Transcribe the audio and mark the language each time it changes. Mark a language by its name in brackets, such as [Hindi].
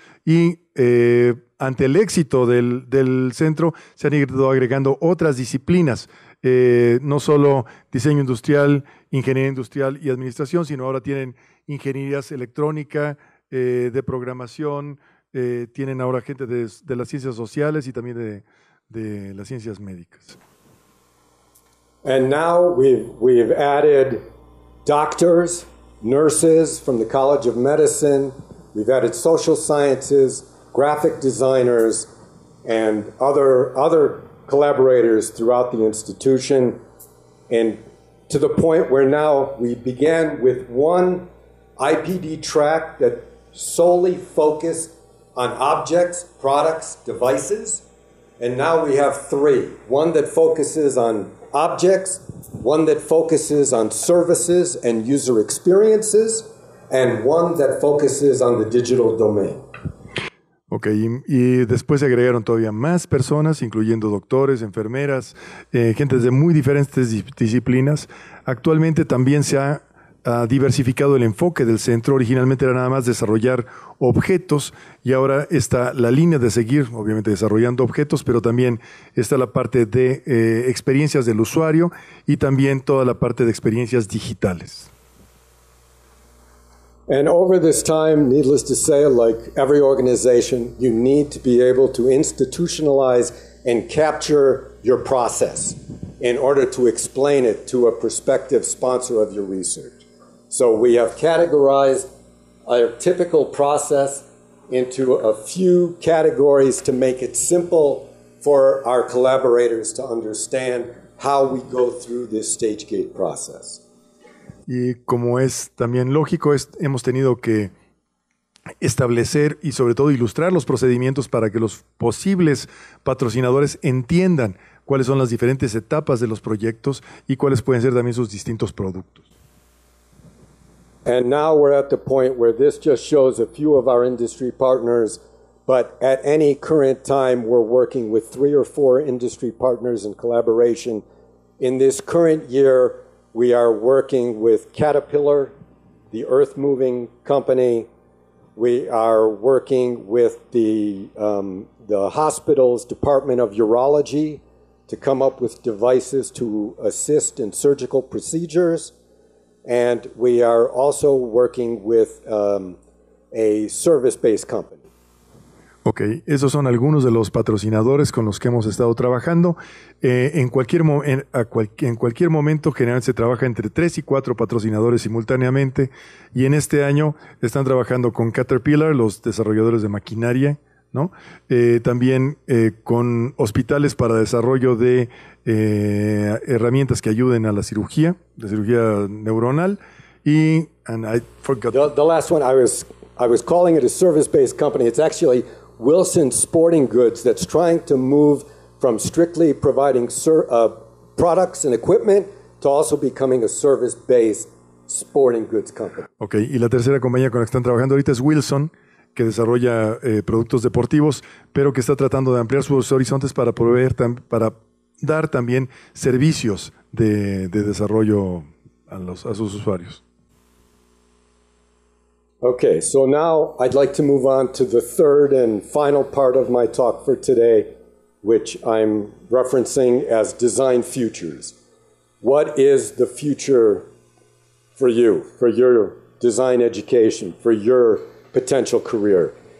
[Spanish] Y ante el éxito del centro se han ido agregando otras disciplinas, no solo diseño industrial, ingeniería industrial y administración, sino ahora tienen ingenierías electrónica, de programación. Tienen ahora gente de las ciencias sociales y también de las ciencias médicas. [English] And now we've added doctors, nurses from the College of Medicine, we've added social sciences, graphic designers, and other collaborators throughout the institution, and to the point where now we began with one IPD track that solely focused on objects, products, devices, and now we have three. One that focuses on objects, one that focuses on services and user experiences, and one that focuses on the digital domain. [Spanish] Okay, y después se agregaron todavía más personas, incluyendo doctores, enfermeras, gente de muy diferentes disciplinas. Actualmente también se ha diversificado el enfoque del centro. Originalmente era nada más desarrollar objetos y ahora está la línea de seguir, obviamente desarrollando objetos, pero también está la parte de experiencias del usuario y también toda la parte de experiencias digitales. [English] And over this time, needless to say, like every organization, you need to be able to institutionalize and capture your process in order to explain it to a prospective sponsor of your research. So we have categorized our typical process into a few categories to make it simple for our collaborators to understand how we go through this stage gate process. [Spanish] Y como es también lógico, hemos tenido que establecer y sobre todo ilustrar los procedimientos para que los posibles patrocinadores entiendan cuáles son las diferentes etapas de los proyectos y cuáles pueden ser también sus distintos productos. [English] And now we're at the point where this just shows a few of our industry partners, but at any current time, we're working with three or four industry partners in collaboration. In this current year, We are working with Caterpillar, the earth moving company. We are working with the hospital's Department of Urology to come up with devices to assist in surgical procedures. And we are also working with a service-based company. [Spanish] Okay, esos son algunos de los patrocinadores con los que hemos estado trabajando. En cualquier momento, generalmente se trabaja entre 3 y 4 patrocinadores simultáneamente. Y en este año están trabajando con Caterpillar, los desarrolladores de maquinaria, ¿no? También con hospitales para desarrollo de herramientas que ayuden a la cirugía neuronal. [English] The last one, I was calling it a service-based company. It's actually Wilson Sporting Goods that's trying to move from strictly providing products and equipment to also becoming a service-based sporting goods company. [Spanish] Okay, y la tercera compañía con la que están trabajando ahorita es Wilson, que desarrolla productos deportivos, pero que está tratando de ampliar sus horizontes para proveer, para dar también servicios de desarrollo a sus usuarios. [English] Okay, so now I'd like to move on to the third and final part of my talk for today, which I'm referencing as design futures. What is the future for you, for your design education, for your potential career?